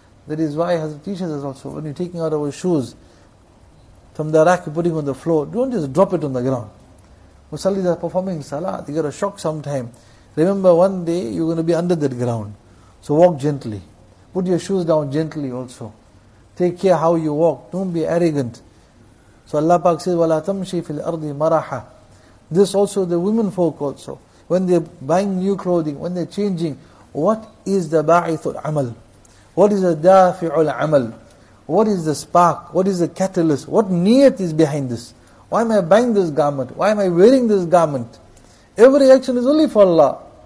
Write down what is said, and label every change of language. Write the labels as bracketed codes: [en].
[en] That is why Hazrat teaches us also, when you're taking out our shoes from the rack, putting on the floor, don't just drop it on the ground. Musallis are performing salah, they get a shock sometime. Remember, one day you're going to be under that ground. So walk gently. Put your shoes down gently also. Take care how you walk. Don't be arrogant. So Allah Pak says, [ar] وَلَا تَمْشِي فِي الْأَرْضِ مَرَحًا. [en] This also, the women folk also, when they're buying new clothing, when they're changing, what is the ba'ithul amal? What is the da'fi'ul amal? What is the spark? What is the catalyst? What niyat is behind this? Why am I buying this garment? Why am I wearing this garment? Every action is only for Allah.